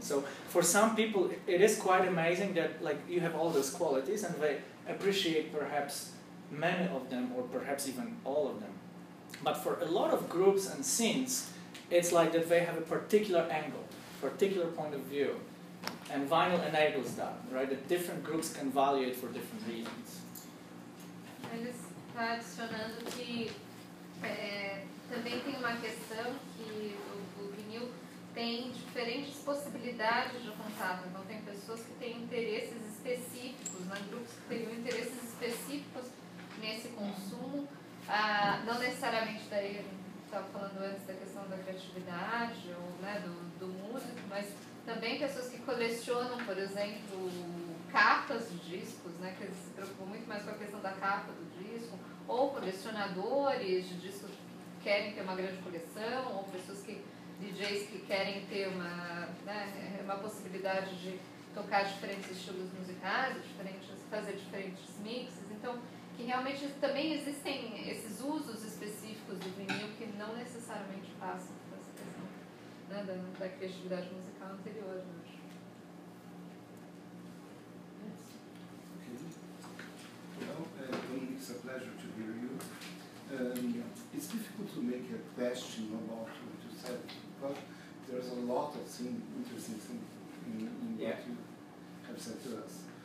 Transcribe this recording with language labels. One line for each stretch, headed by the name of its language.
English: So for some people, it is quite amazing that like you have all those qualities and they appreciate perhaps many of them or perhaps even all of them. But for a lot of groups and scenes, it's like that they have a particular angle, particular point of view. And vinyl enables that, right? That different groups can value it for different reasons.
Portuguese: Ele está adicionando que também tem uma questão que o vinil tem diferentes possibilidades de contato. Então tem pessoas que têm interesses específicos, né? Grupos que têm interesses específicos nesse consumo. Não necessariamente daí, estava falando antes da questão da criatividade ou né, do músico, mas também pessoas que colecionam, por exemplo, capas de discos, né, que se preocupam muito mais com a questão da capa do disco, ou colecionadores de discos que querem ter uma grande coleção, ou pessoas que, DJs que querem ter uma, né, uma possibilidade de tocar diferentes estilos musicais, diferentes, fazer diferentes mixes. Então, que realmente também existem esses usos específicos do vinil que não necessariamente passam por essa questão, né, da criatividade musical.
English: Well, Dominique, it's a pleasure to hear you. It's difficult to make a question about what you said, but there's a lot of interesting things in what you have said to us.